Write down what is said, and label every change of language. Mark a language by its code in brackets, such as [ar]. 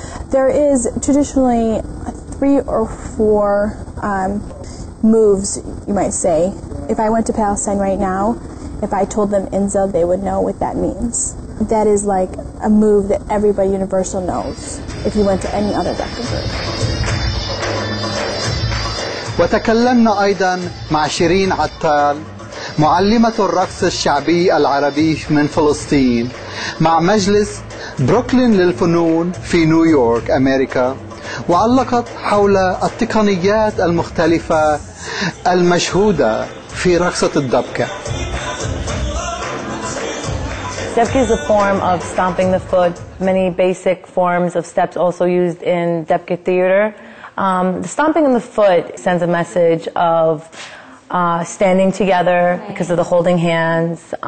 [en] There is traditionally three or four moves, you might say. If I went to Palestine right now, if I told them Inza, they would know what that means. That is like a move that everybody universal knows if you went to any other Dabka group. [ar] وتكلمنا أيضا مع شيرين عطال معلمة الرقص الشعبي العربي من فلسطين مع مجلس بروكلين للفنون في نيويورك أمريكا، وعلقت حول التقنيات المختلفة المشهودة في رقصة الدبكة. [en] Dabka is a form of stomping the foot. Many basic forms of steps also used in Dabka theater. The stomping on the foot sends a message of standing together because of the holding hands.